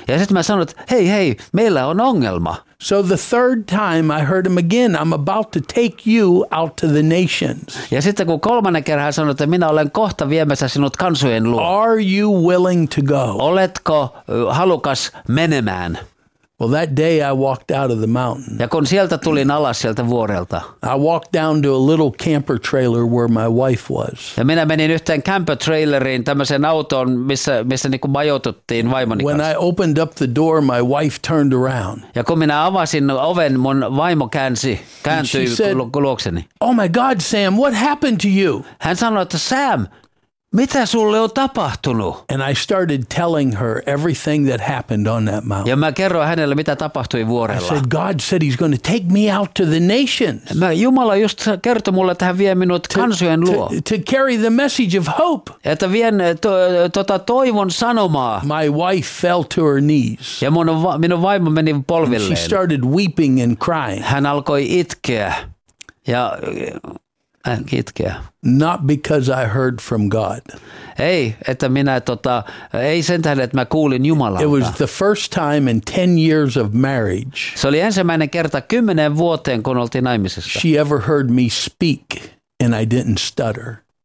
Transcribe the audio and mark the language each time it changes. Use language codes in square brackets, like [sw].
[fi] Ja sitten mä sanoin, että hei, meillä on ongelma. [en] So the third time I heard him again, I'm about to take you out to the nations. [fi] Ja sitten kun kolmannen kerran sanoi, että minä olen kohta viemässä sinut kansojen luo. [en] Are you willing to go? [fi] Oletko halukas menemään? [en] Well, that day I walked out of the mountain. [fi] Ja kun sieltä tulin alas sieltä vuorelta. [en] I walked down to a little camper trailer where my wife was. [fi] Ja minä menin yhteen camper traileriin, tämmöiseen autoon, missä niinku majoituttiin vaimoni kanssa. [en] When I opened up the door, my wife turned around. [fi] Ja kun minä avasin oven, mun vaimo kääntyi luokseni. [en] Oh my God, Sam, what happened to you? [fi] Hän sanoi, että Sam, mitä sulle on tapahtunut? [en] And I started telling her everything that happened on that mountain. [fi] Ja mä kerroin hänelle, mitä tapahtui vuorella. [en] I said, God said he's going to take me out to the nations. [fi] Mä Jumala just kertoi mulle, että hän vie minut kansojen luo. [en] To carry the message of hope. [fi] Että vien toivon sanomaa. [en] My wife fell to her knees. [fi] Ja minun vaimo meni polvilleen. [en] And she started weeping and crying. [fi] Hän alkoi itkeä. Ja itkeä. [en] Not because I heard from God. [fi] Ei, että minä ei sen tähden, että mä kuulin Jumalalta. [en] It was the first time in 10 years of marriage. [fi] Se oli ensimmäinen kerta 10 vuoteen, kun oltiin naimisissa. [en] She ever heard me speak and I didn't stutter.